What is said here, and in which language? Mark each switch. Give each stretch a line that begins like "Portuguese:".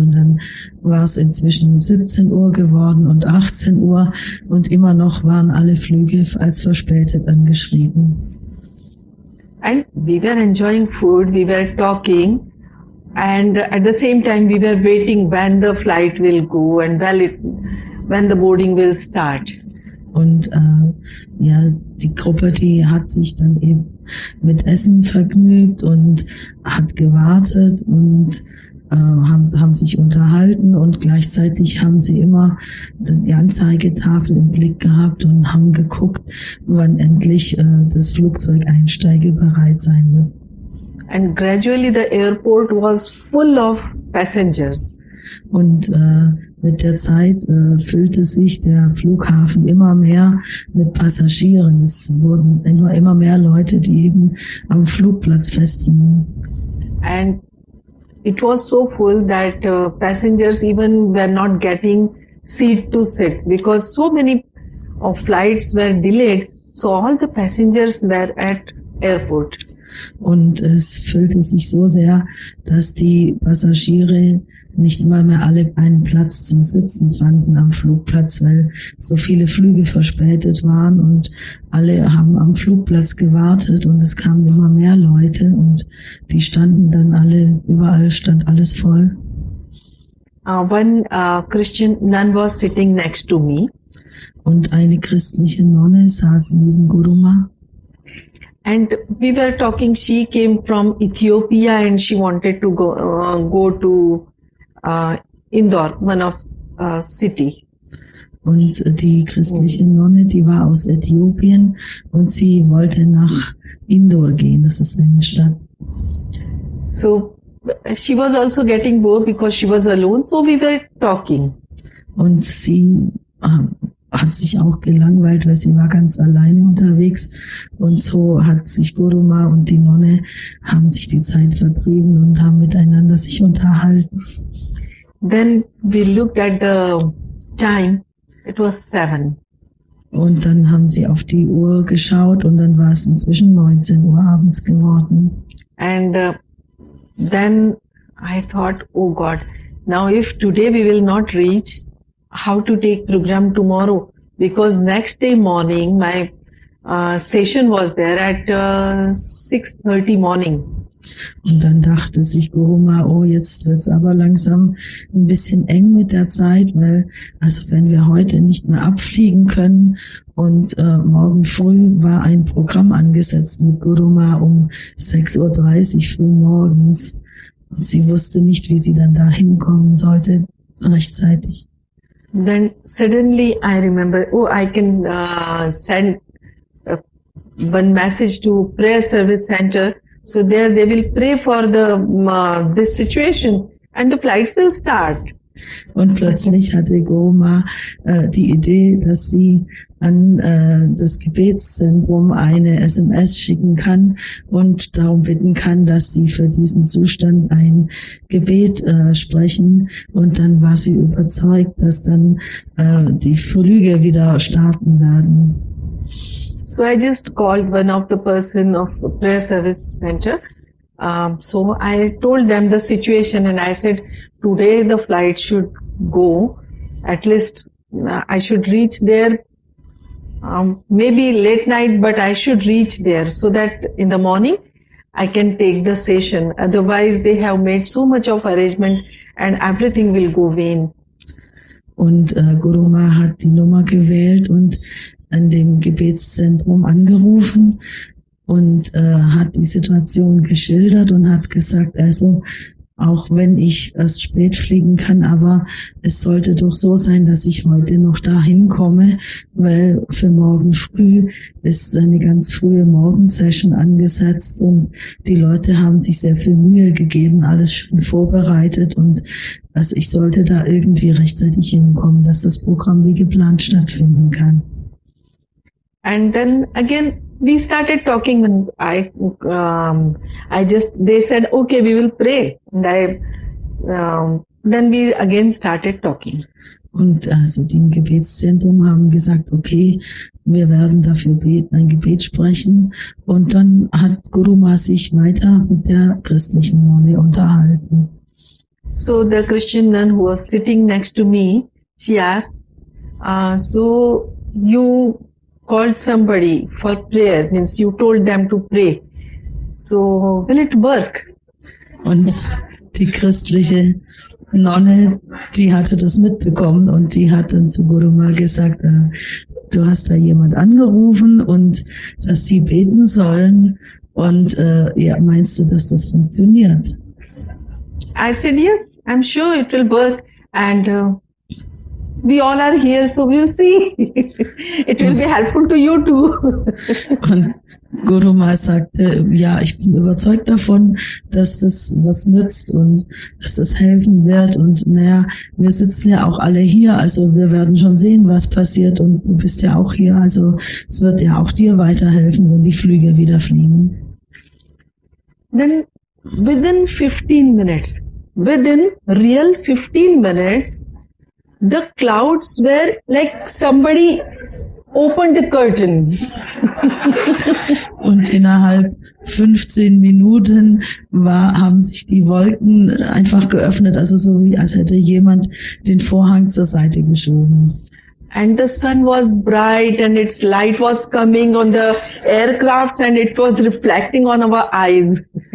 German: Und dann war es inzwischen 17 Uhr geworden und 18 Uhr und immer noch waren alle Flüge als verspätet angeschrieben.
English: And we were enjoying food, we were talking, and at the same time we were waiting when the flight will go and when the boarding will start.
German: Und ja, die Gruppe, die hat sich dann eben mit Essen vergnügt und hat gewartet und haben sich unterhalten und gleichzeitig haben sie immer die Anzeigetafel im Blick gehabt und haben geguckt, wann endlich das Flugzeug einsteigebereit sein wird.
English: And gradually the airport was full of passengers.
German: Und mit der Zeit füllte sich der Flughafen immer mehr mit Passagieren. Es wurden immer mehr Leute, die eben am Flugplatz festhingen.
English: And it was so full that passengers even were not getting seat to sit because so many flights were delayed. So all the passengers were at airport.
German: Und es füllte sich so sehr, dass die Passagiere nicht mal mehr alle einen Platz zum Sitzen fanden am Flugplatz, weil so viele Flüge verspätet waren und alle haben am Flugplatz gewartet und es kamen immer mehr Leute und die standen dann alle, überall stand alles voll.
English: One Christian nun was sitting next to me.
German: Und eine christliche Nonne saß neben Guruma.
English: And we were talking, she came from Ethiopia and she wanted to go to Indore, one of city.
German: Und die christliche Nonne, die war aus Äthiopien und sie wollte nach Indore gehen, das ist eine Stadt.
English: So she was also getting bored because she was alone, so we were talking.
German: Und sie hat sich auch gelangweilt, weil sie war ganz alleine unterwegs und so hat sich Guruma und die Nonne haben sich die Zeit vertrieben und haben miteinander sich unterhalten.
English: Then we looked at the time. It was 7.
German: Und dann haben sie auf die Uhr geschaut und dann war es inzwischen 19 Uhr abends geworden.
English: And then I thought, oh God, now if today we will not reach, how to take program tomorrow? Because next day morning, my session was there at 6:30 morning.
German: Und dann dachte sich Guruma, oh, jetzt wird es aber langsam ein bisschen eng mit der Zeit, weil, also wenn wir heute nicht mehr abfliegen können und morgen früh war ein Programm angesetzt mit Guruma um 6:30 Uhr früh morgens und sie wusste nicht, wie sie dann da hinkommen sollte rechtzeitig.
English: Then suddenly I remember, oh, I can send one message to prayer service center. So there they will pray for the this situation and the flights will start.
German: Und plötzlich hatte Goma die Idee, dass sie an das Gebetszentrum eine SMS schicken kann und darum bitten kann, dass sie für diesen Zustand ein Gebet sprechen. Und dann war sie überzeugt, dass dann die Flüge wieder starten werden.
English: So I just called one of the person of prayer service center. So I told them the situation and I said, today the flight should go. At least I should reach there. Maybe late night, but I should reach there so that in the morning I can take the session. Otherwise they have made so much of arrangement and everything will go vain.
German: Und Guruma hat die Nummer gewählt und an dem Gebetszentrum angerufen und hat die Situation geschildert und hat gesagt, also auch wenn ich erst spät fliegen kann, aber es sollte doch so sein, dass ich heute noch dahin komme, weil für morgen früh ist eine ganz frühe Morgensession angesetzt und die Leute haben sich sehr viel Mühe gegeben, alles schön vorbereitet und also ich sollte da irgendwie rechtzeitig hinkommen, dass das Programm wie geplant stattfinden kann.
English: And then again, we started talking and they said, okay, we will pray. And then we again started talking.
German: Und also dem Gebetszentrum haben gesagt, okay, wir werden dafür beten, ein Gebet sprechen. Und dann hat Guruma sich weiter mit der christlichen Nonne unterhalten.
English: So the Christian nun who was sitting next to me, she asked, so you called somebody for prayer, means you told them to pray. So will it work?
German: Und die christliche Nonne, die hatte das mitbekommen und die hat dann zu Guruma gesagt, du hast da jemand angerufen und dass sie beten sollen und ja, meinst du, dass das funktioniert?
English: I said, yes, I'm sure it will work and we all are here, so we'll see. It will be helpful to you too.
German: Und Guruma sagte, ja, ich bin überzeugt davon, dass das was nützt und dass das helfen wird. Und naja, wir sitzen ja auch alle hier, also wir werden schon sehen, was passiert. Und du bist ja auch hier, also es wird ja auch dir weiterhelfen, wenn die Flüge wieder fliegen.
English: Then within 15 minutes, within real 15 minutes, the clouds were like somebody opened the curtain.
German: Und innerhalb 15 Minuten haben sich die Wolken einfach geöffnet, also so wie als hätte jemand den Vorhang zur Seite geschoben.
English: And the sun was bright and its light was coming on the aircrafts and it was reflecting on our eyes.